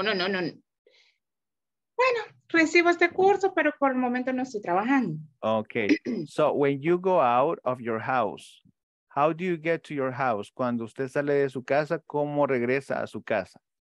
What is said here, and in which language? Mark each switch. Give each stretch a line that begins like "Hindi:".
Spanish: Bueno, recibo este curso, pero por el momento no estoy trabajando. Okay.
English: So when you go out of your house, how do you get to your house?
Spanish: Cuando usted sale de su casa, ¿cómo regresa a su casa?